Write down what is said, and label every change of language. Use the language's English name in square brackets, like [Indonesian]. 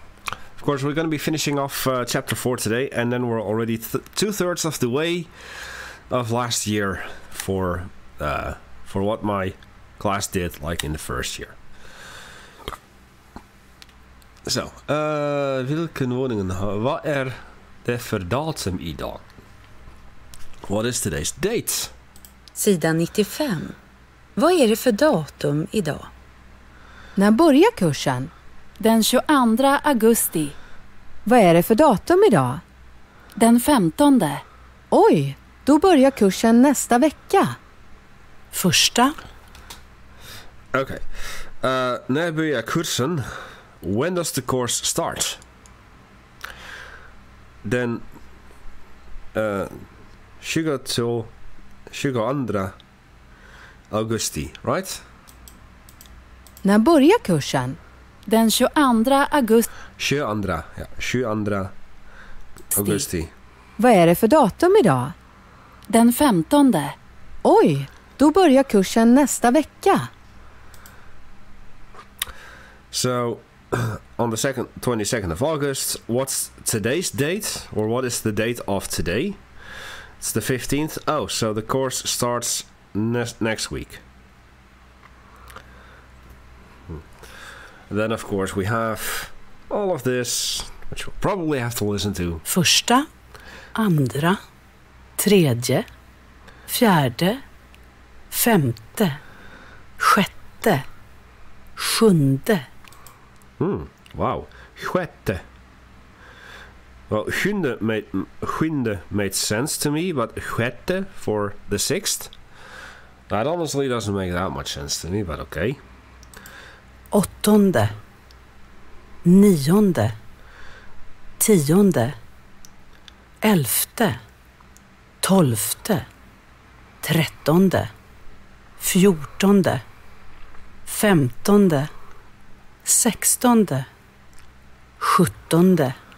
[English] Of course, we're going to be finishing off chapter 4 today, and then we're already two-thirds of the way of last year for what my class did, like, in the first year. [Swedish] So, vilken våningen? Vad är det för datum idag? [English] What is today's date? [Swedish] Sida 95. Vad är det för datum idag? När börjar kursen? Den 22 augusti. Vad är det för datum idag? Den 15. Oj, då börjar kursen nästa vecka. Första. [English] Okej. Okay. [Swedish] När börjar kursen? [English] When does the course start? [Swedish] Den 22 augusti, right? När börjar kursen? Den 22 augusti. 22, ja. 22 augusti. Vad är det för datum idag? Den 15. Oj, då börjar kursen nästa vecka. [English] So, on the 22nd of August, what's today's date? Or what is the date of today? It's the 15th. Oh, so the course starts next week. Then, of course, we have all of this, which we'll probably have to listen to. [Swedish] Första, andra, tredje, fjärde, femte, sjätte, sjunde. [English] Wow. Sjätte. Well, sjunde made sense to me, but sjätte for the sixth? That honestly doesn't make that much sense to me, but okay. [Swedish] Åttonde, nionde, tionde, elfte, tolfte, trettonde, fjortonde, femtonde, sextonde, sjuttonde,